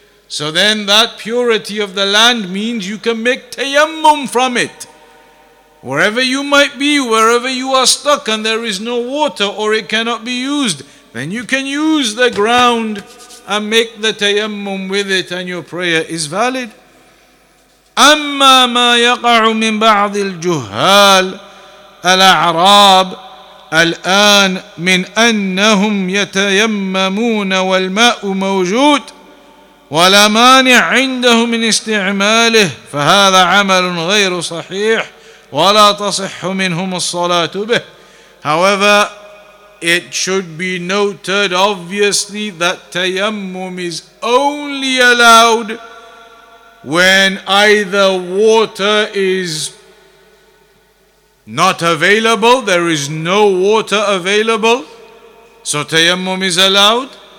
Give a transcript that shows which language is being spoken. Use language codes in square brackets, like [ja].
[en] So then that purity of the land means you can make tayammum from it. Wherever you might be, wherever you are stuck and there is no water or it cannot be used, then you can use the ground and make the tayammum with it and your prayer is valid. [ar] أَمَّا مَا يَقَعُ مِنْ بَعْضِ الْجُهَّالِ الْأَعْرَابِ الآن من أنهم يتيممون والماء موجود ولا مانع عندهم من استعماله فهذا عمل غير صحيح ولا تصح منهم الصلاة به. [en] However, it should be noted obviously that tayammum is only allowed when either water is not available, there is no water available, so tayammum is allowed.